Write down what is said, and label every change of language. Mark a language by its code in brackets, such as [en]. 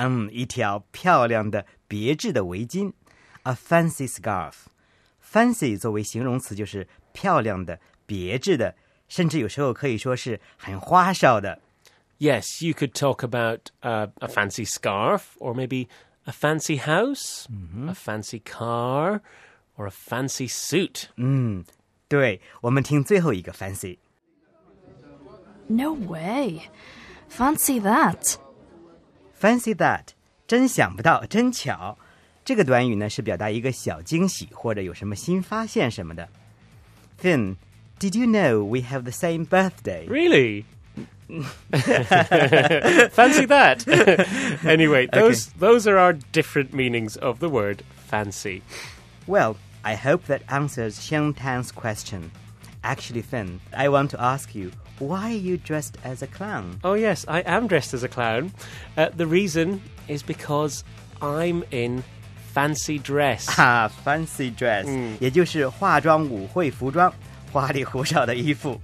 [zh] 一条漂亮的别致的围巾。 [en] A fancy scarf. [zh] Fancy 作为形容词就是漂亮的别致的甚至有时候可以说是很花哨的。 [en] Yes, you could talk about a fancy scarf or maybe a fancy house,、mm-hmm. a fancy car, or a fancy suit. [zh] 对,我们听最后一个 fancy. [en] No way. Fancy that. Fancy that. [zh] 真想不到,真巧。这个短语呢是表达一个小惊喜或者有什么新发现什么的。 [en] Finn, did you know we have the same birthday? Really? Fancy that. Anyway, those are our different meanings of the word fancy. Well, I hope that answers Xiang Tan's question. Actually, Finn, I want to ask you, why are you dressed as a clown? Oh yes, I am dressed as a clown. The reason is because I'm in fancy dress. Ah, fancy dress. [zh] 也就是化妆舞会服装，花里胡哨的衣服。